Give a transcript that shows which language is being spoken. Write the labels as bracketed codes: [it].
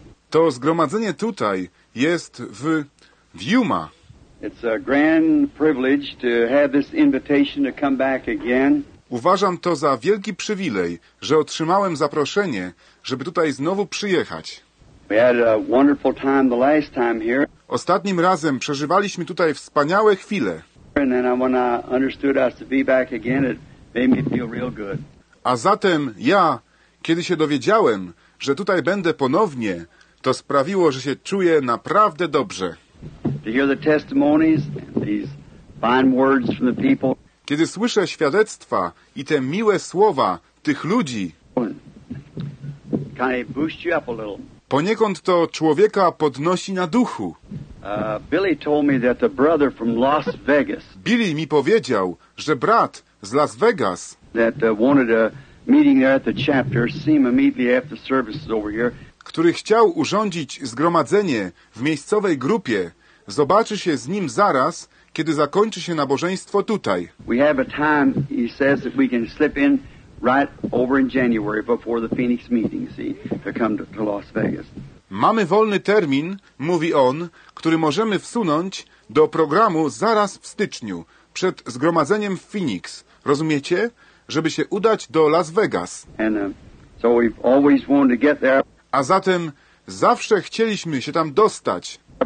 [pl] To zgromadzenie tutaj jest w Yuma. [en] It's a grand privilege to have this invitation to come back again. [pl] Uważam to za wielki przywilej, że otrzymałem zaproszenie, żeby tutaj znowu przyjechać. [en] We had a wonderful time the last time here. [pl] Ostatnim razem przeżywaliśmy tutaj wspaniałe chwile. [en] And then when I understood us to be back again, it made me feel real good. [pl] A zatem ja, kiedy się dowiedziałem, że tutaj będę ponownie, to sprawiło, że się czuję naprawdę dobrze. [en] To hear the testimonies, these fine words from the people. [pl] Kiedy słyszę świadectwa i te miłe słowa tych ludzi, [en] kind of boost you up a little. [pl] Poniekąd to człowieka podnosi na duchu. [en] Billy told me that the brother from Las Vegas. [pl] Billy mi powiedział, że brat z Las Vegas. [en] That wanted a meeting there at the chapter. See him immediately after service is over here. [pl] Który chciał urządzić zgromadzenie w miejscowej grupie. Zobaczy się z nim zaraz, kiedy zakończy się nabożeństwo tutaj. [en] We have a time, he says, that we can slip in right over in January before the Phoenix meeting. See, to come to Las Vegas. [pl] Mamy wolny termin, mówi on, który możemy wsunąć do programu zaraz w styczniu, przed zgromadzeniem w Phoenix. Rozumiecie? Żeby się udać do Las Vegas. [en] And, so we've always wanted to get there. [pl] A zatem zawsze chcieliśmy się tam dostać.